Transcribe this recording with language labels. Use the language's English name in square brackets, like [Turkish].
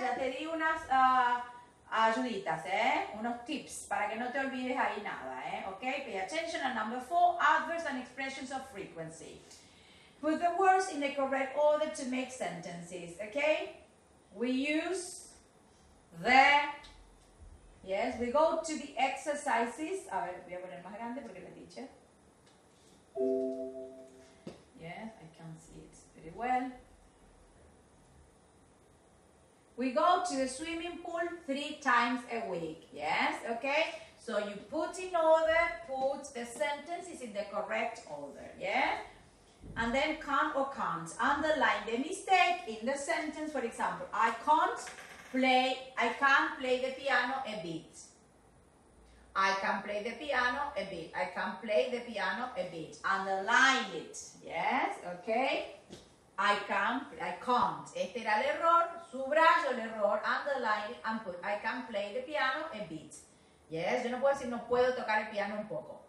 [Spanish] Ya te di unas ayuditas, unos tips para que no te olvides ahí nada, [English] Okay, pay attention. And number 4, adverbs and expressions of frequency. Put the words in the correct order to make sentences, okay? We use the, yes, we go to the exercises. [Spanish] A ver, voy a poner más grande porque la teacher. [English] Yes, I can't see it very well. We go to the swimming pool 3 times a week. Yes, okay? So you put in order, put the sentences in the correct order. Yeah? And then can't or can't. Underline the mistake in the sentence. For example, I can't. Play, I can play the piano a bit. I can play the piano a bit. I can play the piano a bit. Underline it. Yes, okay. I can't. [Spanish] Este era el error. Subrayo el error. [English] Underline it and put. I can play the piano a bit. [Spanish] Yes, yo no puedo decir no puedo tocar el piano un poco.